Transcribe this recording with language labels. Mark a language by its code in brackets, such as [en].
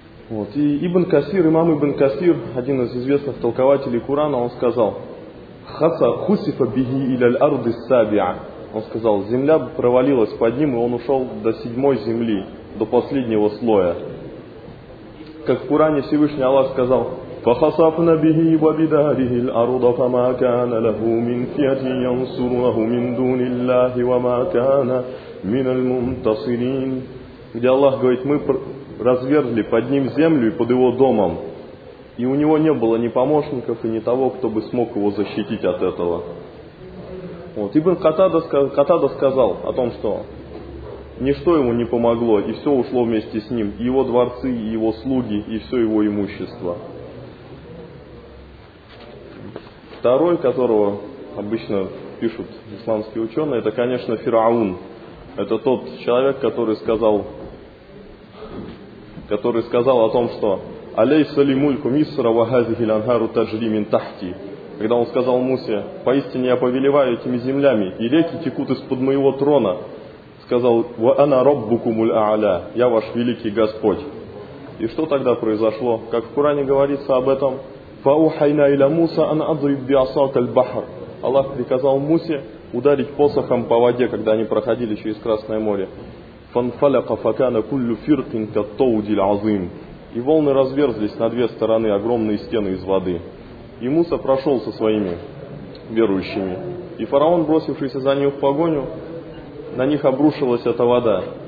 [ru] Вот. И Ибн Касир, имам Ибн Касир, один из известных толкователей Курана, он сказал: [ar] «Хаса хусифа биги иляль арды сабиа». [ru] Он сказал, земля провалилась под ним, и он ушел до седьмой земли, до последнего слоя. Как в Куране Всевышний Аллах сказал: [ar] فَخَسَفْنَا بِهِ وَبِدَارِهِ الْأَرْضَ فَمَا كَانَ لَهُ مِنْ فِئَةٍ يَنْصُرُهُ مِنْ دُونِ اللَّهِ وَمَا كَانَ مِنَ الْمُنْتَصِرِينَ. [ru] Где Аллах говорит: мы разверзли под ним землю и под его домом, и у него не было ни помощников, и ни того, кто бы смог его защитить от этого. Вот. Ибн Катада сказал о том, что ничто ему не помогло, и все ушло вместе с ним, и его дворцы, и его слуги, и все его имущество. Второй, которого обычно пишут исламские ученые, это, конечно, Фираун. Это тот человек, который сказал о том, что [ar] «Алейса ли мульку Миссра ва хазихи ланхару таджри мин тахти». [ru] Когда он сказал Мусе: «Поистине я повелеваю этими землями, и реки текут из-под моего трона». Сказал: [ar] «Ва ана роббукумуль а'ля». [ru] «Я ваш великий Господь». И что тогда произошло? Как в Коране говорится об этом: [ar] فَأُحَيْنَا إِلَى مُوسَىٰ أَنْ أَضْرِبْ بِعَصَاكَ الْبَحْرَ. [ru] Аллах приказал Мусе ударить посохом по воде, когда они проходили через Красное море. [ar] فَانْفَلَقَ فَكَانَ كُلُّ فِرْقٍ كَالطَّوْدِ الْعَظِيمِ. [ru] И волны разверзлись на две стороны, огромные стены из воды. И Муса прошел со своими верующими. И фараон, бросившийся за ним в погоню, на них обрушилась эта вода.